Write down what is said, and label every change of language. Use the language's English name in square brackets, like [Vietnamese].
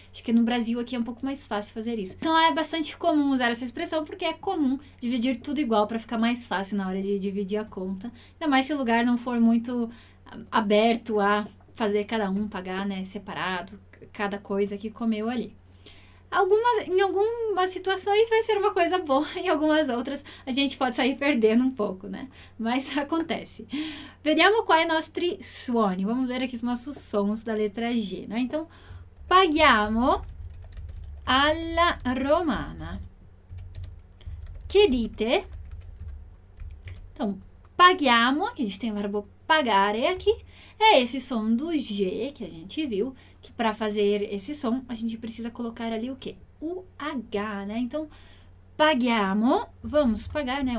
[Portuguese] Acho que no Brasil aqui é um pouco mais fácil fazer isso. Então, é bastante comum usar essa expressão, porque é comum dividir tudo igual para ficar mais fácil na hora de dividir a conta. Ainda mais se o lugar não for muito aberto a fazer cada um pagar, né, separado, cada coisa que comeu ali. Em algumas situações vai ser uma coisa boa, em algumas outras a gente pode sair perdendo um pouco, né? Mas acontece. [Italian] Vediamo quais nostri suoni. [Portuguese] Vamos ver aqui os nossos sons da letra G, né? [Italian] Então, paghiamo alla romana. Che dite? [Portuguese] Então, paghiamo, aqui a gente tem o verbo pagare aqui. É esse som do G que a gente viu, que para fazer esse som a gente precisa colocar ali o quê? O H, né? Então, paghiamo, vamos pagar, né?